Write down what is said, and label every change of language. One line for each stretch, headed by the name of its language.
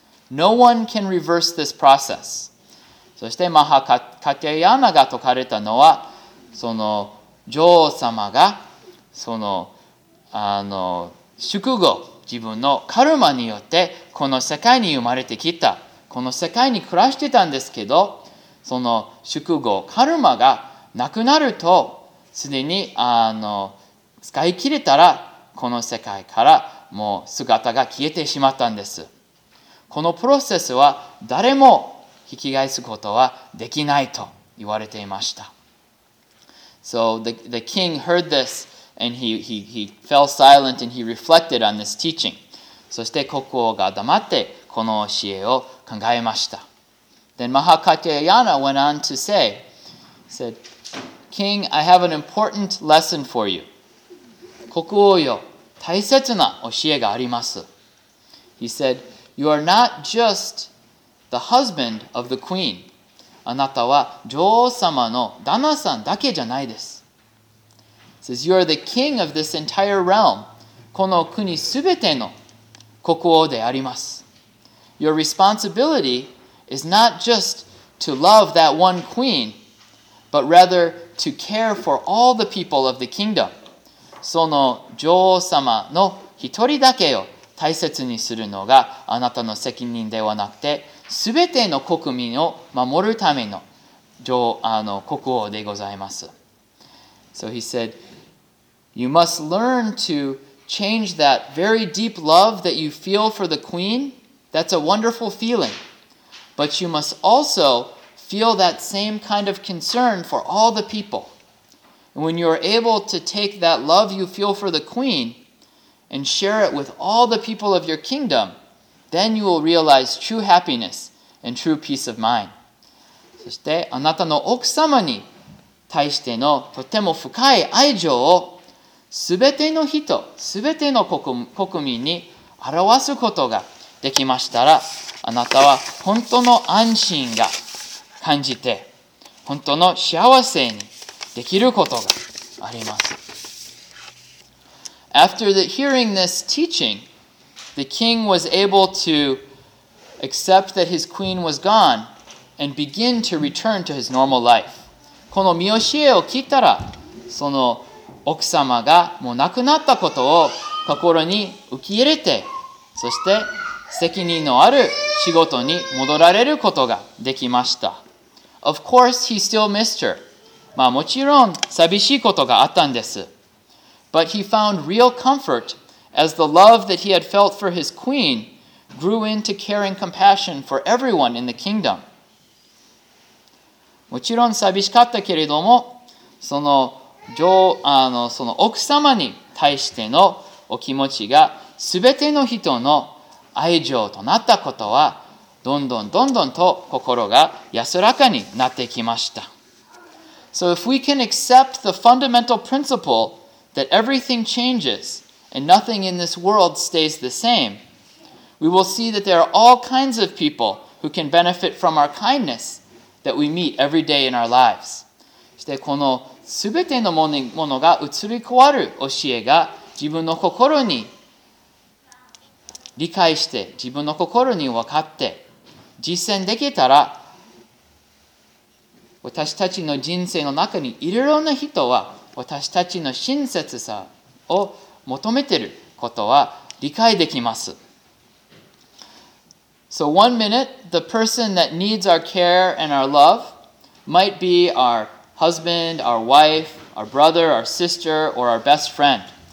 English: No one can reverse this process."
Japanese: そしてマハカティヤーナが説かれたのは、その女王様が、その、宿業、自分のカルマによって、この世界に生まれてきた、この世界に暮らしてたんですけど、その宿業、カルマがなくなると、すでに使い切れたらこの世界からもう姿が消えてしまったんです。このプロセスは誰も引き返すことはできないと言われていました。
English: So the king heard this and he fell silent and he reflected on this teaching.
Japanese: そして国王が黙ってこの教えを考えました。
English: Then Mahakatyayana went on to say, said,King, I have an important lesson for you.
Japanese: 国王よ、大切な教えがあります。
English: He said, "You are not just the husband of the queen."
Japanese: あなたは女王様の旦那さんだけじゃないです。
English: He says, "You are the king of this entire realm."
Japanese: この国すべての国王であります。
English: Your responsibility is not just to love that one queen, but rather to care for all the people of the kingdom.
Japanese: その女王様の一人だけを大切にするのがあなたの責任ではなくて、すべての国民を守るための国王でございます。
English: So he said, "You must learn to change that very deep love that you feel for the queen. That's a wonderful feeling. But you must also feel that same kind of concern for all the people. And when you are able to take that love you feel for the queen and share it with all the people of your kingdom, then you will realize true happiness and true peace of mind."
Japanese: そしてあなたの奥様に対してのとても深い愛情をすべての人、すべての国民に表すことができましたら、あなたは本当の安心が感じて、本当の幸せにできることがあります。
English: After the hearing this teaching, the king was able to accept that his queen was gone and begin to return to his normal life.
Japanese: この見教えを聞いたら、その奥様がもう亡くなったことを心に受け入れて、そして責任のある仕事に戻られることができました。
English: Of course, he still missed her.
Japanese: まあもちろん寂しいことがあったんです。
English: But he found real comfort as the love that he had felt for his queen grew into caring compassion for everyone in the kingdom.
Japanese: もちろん寂しかったけれども、その奥様に対してのお気持ちが全ての人の愛情となったことは、どんどんどんどんと心が安らかになってきました。
English: So if we can accept the fundamental principle that everything changes and nothing in this world stays the same, we will see that there are all kinds of people who can benefit from our kindness that we meet every day in our lives.
Japanese: そしてこの全てのものが移り変わる教えが自分の心に理解して、自分の心に分かって、実践できたら、私たちの人生の中にいろいろな人は、私たちの親切さを求めていることは理解できます。
English: So one minute, the person that needs our care and our love might be our husband, our wife, our brother, our sister, or our best friend.